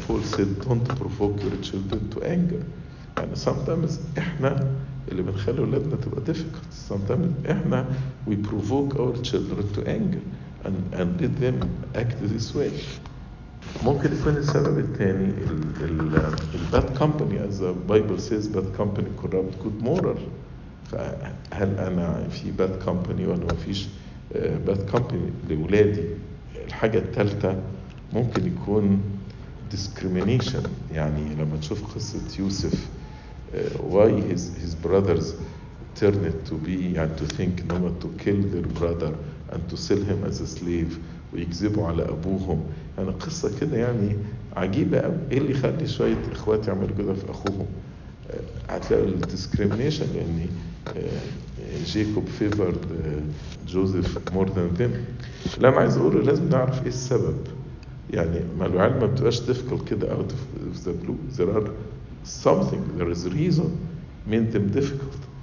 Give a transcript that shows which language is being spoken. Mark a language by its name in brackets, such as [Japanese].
[English] Paul said, don't provoke your children to anger. And sometimes [Arabic] إحنا اللي بنخلي ولادنا تبقى [English] difficult. Sometimes [Arabic] إحنا [English] we provoke our children to anger and let them act this way. [Arabic] ممكن يكون السبب الثاني ال [English] bad company. As the Bible says, bad company corrupt good moral. [Arabic] فهل أنا في [English] bad company [Arabic] ولا ما فيش bad company لولادي؟ الحاجة الثالثة ممكن يكون [English] discrimination. [Arabic] يعني لما تشوف قصة يوسف، [English] why his brothers turned to be and to think no matter to kill their brother and to sell him as a slave [Arabic] ويكذبوا على أبوهم. يعني قصة كده يعني عجيبة، إيه اللي خلي شوية إخوات يعملوا كده في أخوهم؟ هتلاقوا [English] discrimination. [Arabic] يعني [English] Jacob favored Joseph more than them. [Arabic] لا ما عايز أقوله، لازم نعرف إيه السبب. يعني ما العلم ما بتبقاش [English] difficult [Arabic] كده [English] out of the blue. There are something, there is a reason made them difficult.